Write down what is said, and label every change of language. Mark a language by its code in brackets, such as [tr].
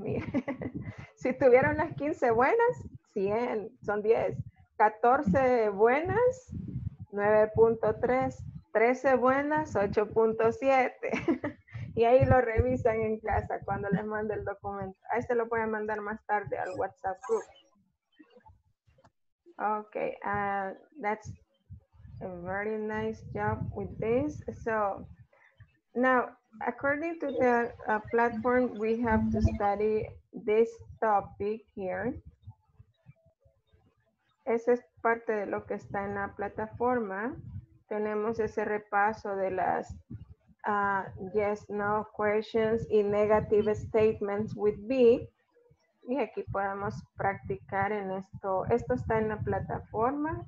[es] Miren. Si tuvieron las 15 buenas, 100, son 10. 14 buenas, 9.3. 13 buenas, 8.7. Y ahí lo revisan en casa cuando les mande el documento. Ahí se lo pueden mandar más tarde al WhatsApp group. [en] Ok, that's a very nice job with this. So, now, according to the platform, we have to study this topic here. [es] Esa es parte de lo que está en la plataforma. Tenemos ese repaso de las yes, no questions y negative statements with be. Y aquí podemos practicar en esto. Esto está en la plataforma.